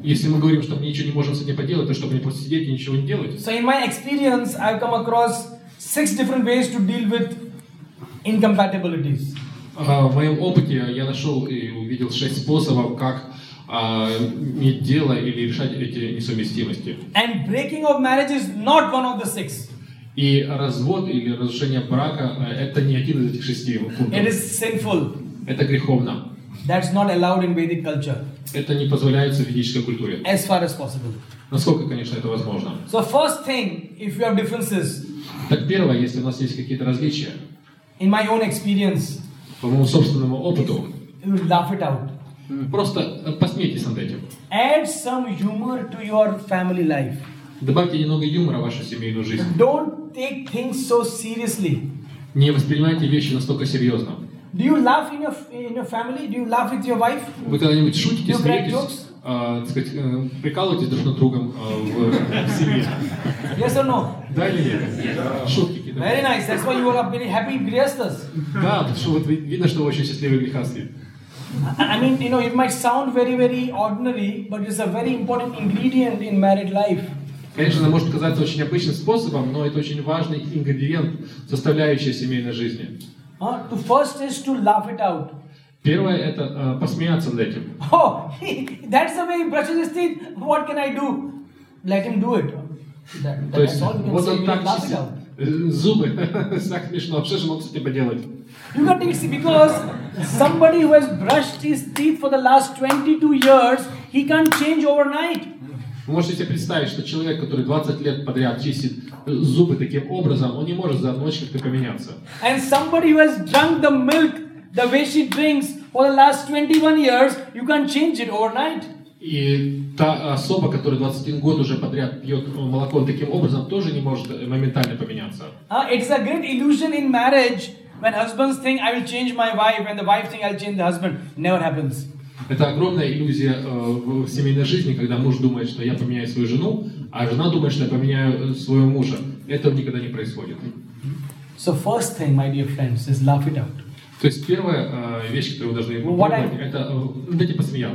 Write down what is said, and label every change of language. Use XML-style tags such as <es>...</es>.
<ru>Если мы говорим, что мы ничего не можем с этим поделать, то чтобы не просто сидеть и ничего не делать.</ru> <en>So in my experience, I've come across 6 different ways to deal with incompatibilities.</en> <ru>В моем опыте я нашел и увидел 6 способов, как иметь дело или решать эти несовместимости.</ru> <en>And breaking of marriage is not one of the 6.</en> <ru>И развод или разрушение брака – это не один из этих шести пунктов.</ru> <en>It is sinful.</en> <ru>Это греховно.</ru> <en>That's not allowed in Vedic culture.</en> <ru>Это не позволяется в ведической культуре.</ru> <en>As far as possible.</en> <ru>Насколько, конечно, это возможно.</ru> <en>So first thing, if you have differences.</en> <ru>Так первое, если у нас есть какие-то различия.</ru> <en>In my own experience.</en> <ru>По моему собственному опыту.</ru> <en>You laugh it out.</en> <ru>Просто посмейтесь над этим.</ru> <en>Add some humor to your family life.</en> <ru>Добавьте немного юмора в вашу семейную жизнь.</ru> <en>Don't take things so seriously.</en> <ru>Не воспринимайте вещи настолько серьезно.</ru> <en>Do you laugh in your family? Do you laugh with your wife?</en> <ru>Вы когда-нибудь шутите, смеетесь, прикалываетесь друг над другом в семье?</ru> <en>Yes or no?</en> <ru>Да или нет? Шутки.</ru> <en>Very nice. That's why you are very happy grihasthas.</en> <ru>Да, вот видно, что вы очень счастливые грихасты.</ru> <en>I mean, you know, it might sound very, very ordinary, but it's a very important ingredient in married life.</en> <ru>Конечно, это может казаться очень обычным способом, но это очень важный ингредиент, составляющий семейной жизни.</ru> <en>The first is to laugh it out.</en> <ru>Первое – это посмеяться над этим.</ru> <en>Oh, that's the way he brushes his teeth. What can I do? Let him do it.</en> <ru>То есть, вот он так чистит зубы. Так смешно. Что же мог с этим поделать?</ru> <en>You got to see, because somebody who has brushed his teeth for the last 22 years, he can't change overnight.</en> <ru>Вы можете себе представить, что человек, который 20 лет подряд чистит зубы таким образом, он не может за одну ночь как-то поменяться.</ru> <en>And somebody who has drunk the milk the way she drinks for the last 21 years, you can't change it overnight.</en> <ru>И та особа, которая 21 год уже подряд пьет молоко таким образом, тоже не может моментально поменяться.</ru> <en>It's a great illusion in marriage when husbands think I will change my wife and the wife think I'll change the husband. Never happens.</en> <ru>Это огромная иллюзия в семейной жизни, когда муж думает, что я поменяю свою жену, а жена думает, что я поменяю своего мужа. Этого никогда не происходит.</ru> <en>So first thing, my dear friends, is laugh it out.</en> <ru>То есть первая вещь, которую вы должны понять, это дайте посмеяться.</ru>